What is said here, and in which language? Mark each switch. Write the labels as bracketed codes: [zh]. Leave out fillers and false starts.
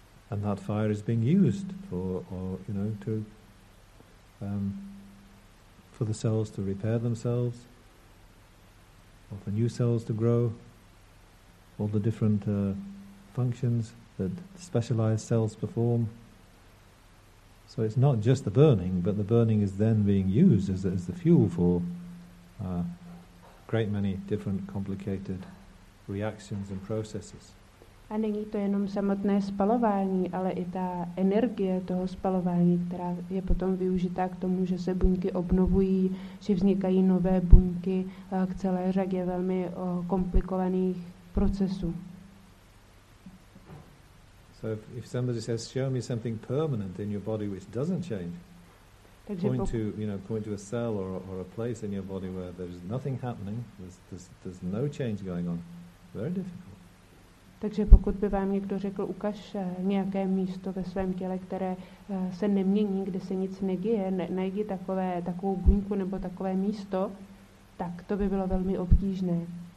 [en] And that fire is being used for, or, you know, to, for the cells to repair themselves, or for new cells to grow, all the different functions that specialized cells perform. So it's not just the burning, but the burning is then being used as the fuel for a great many different complicated reactions and processes. [cs] A není to jenom samotné spalování, ale i ta energie toho spalování, která je potom využita k tomu, že se buňky obnovují, že vznikají nové buňky k celé řadě velmi komplikovaných procesů. [en] So if somebody says, show me something permanent in your body which doesn't change, point to a cell or a place in your body where there's nothing happening, there's no change going on, very difficult. [cs] Takže pokud by vám někdo řekl, ukaž nějaké místo ve svém těle, které se nemění, kde se nic neděje, najdi takovou buňku nebo takové místo, tak to by bylo velmi obtížné.